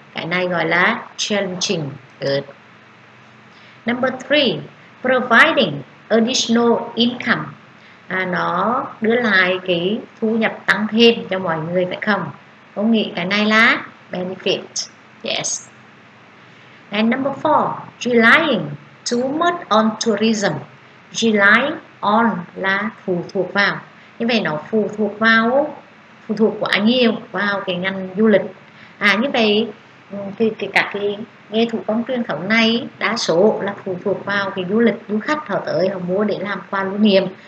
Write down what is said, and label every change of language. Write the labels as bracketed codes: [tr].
[vi] Cái này gọi là [en] challenging. Good. Number three, providing additional income. [vi] Nó đưa lại cái thu nhập tăng thêm cho mọi người phải không? Có nghĩa cái này là benefit. [en] Yes. And number four, relying too much on tourism. [vi] Rely on là phụ thuộc vào. Như vậy nó phụ thuộc vào, phụ thuộc quá nhiều vào cái ngành du lịch. À như vậy thì các cái nghề thủ công truyền thống này đa số là phụ thuộc vào cái du lịch, du khách họ tới họ mua để làm quà lưu niệm.